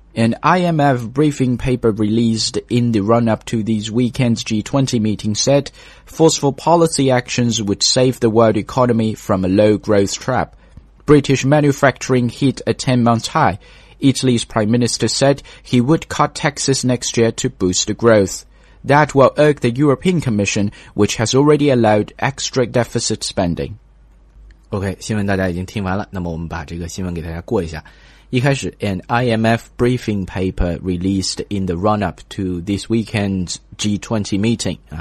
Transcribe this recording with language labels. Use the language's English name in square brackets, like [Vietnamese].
[English] An IMF briefing paper released in the run-up to these weekend's G20 meeting said forceful policy actions would save the world economy from a low-growth trap. British manufacturing hit a 10-month high. Italy's Prime Minister said he would cut taxes next year to boost growth. That will irk the European Commission, which has already allowed extra deficit spending. [Chinese] OK, 新闻大家已经听完了，那么我们把这个新闻给大家过一下。一开始 [English] ,an IMF briefing paper released in the run-up to this weekend's G20 meeting.